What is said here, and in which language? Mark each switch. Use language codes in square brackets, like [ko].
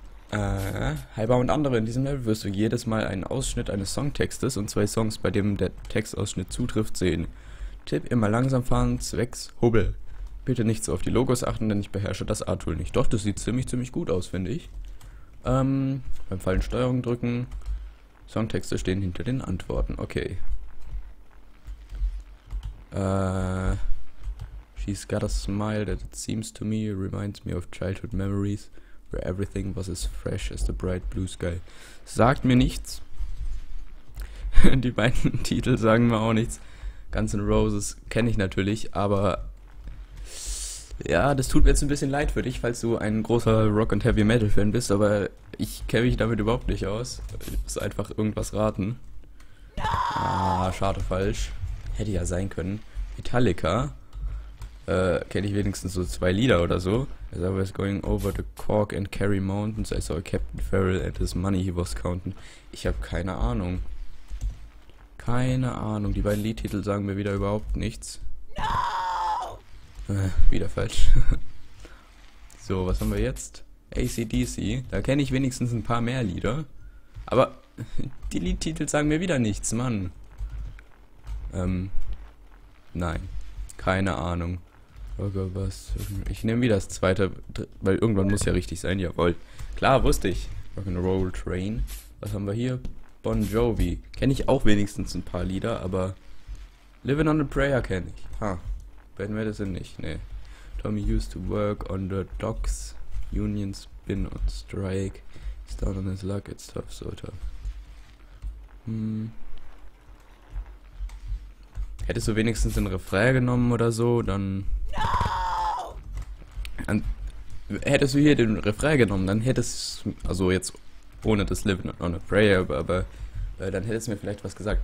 [de] Hi Baum und andere, in diesem Level wirst du jedes Mal einen Ausschnitt eines Songtextes und zwei Songs, bei dem der Textausschnitt zutrifft, sehen. Tipp, immer langsam fahren, zwecks Hubbel. Bitte nicht so auf die Logos achten, denn ich beherrsche das A-Tool nicht. Doch, das sieht ziemlich, ziemlich gut aus, finde ich. Beim Fallen Steuerung drücken. Songtexte stehen hinter den Antworten. Okay. [en] She's got a smile that it seems to me reminds me of childhood memories where everything was as fresh as the bright blue sky. [de] Sagt mir nichts. Die beiden Titel sagen mir auch nichts. Guns N' Roses kenne ich natürlich, aber ja, das tut mir jetzt ein bisschen leid für dich, falls du ein großer Rock- und Heavy-Metal-Fan bist, aber ich kenne mich damit überhaupt nicht aus. Ich muss einfach irgendwas raten. Ah, schade, falsch. Hätte ja sein können. Metallica. Kenne ich wenigstens so zwei Lieder oder so. [en] As I was going over the Cork and Kerry Mountains, I saw Captain Farrell and his money he was counting. [de] Ich habe keine Ahnung. Keine Ahnung. Die beiden Liedtitel sagen mir wieder überhaupt nichts. Wieder falsch. So, was haben wir jetzt? AC/DC. Da kenne ich wenigstens ein paar mehr Lieder. Aber die Liedtitel sagen mir wieder nichts, Mann. Nein. Keine Ahnung. Oh Gott, was? Ich nehme wieder das zweite, weil irgendwann muss ja richtig sein. Jawohl. Klar, wusste ich. Rock'n'Roll Train. Was haben wir hier? Bon Jovi. Kenne ich auch wenigstens ein paar Lieder, aber Living on a Prayer kenne ich. Ha. Ben Madison nicht, ne. [en] Tommy used to work on the docks. Union spin on strike. He's down on his luck, it's tough, so tough. [de] Hättest du wenigstens den Refrain genommen oder so, dann. Hättest du hier den Refrain genommen, dann hättest. Also jetzt ohne das Living on a Prayer, aber dann hättest du mir vielleicht was gesagt.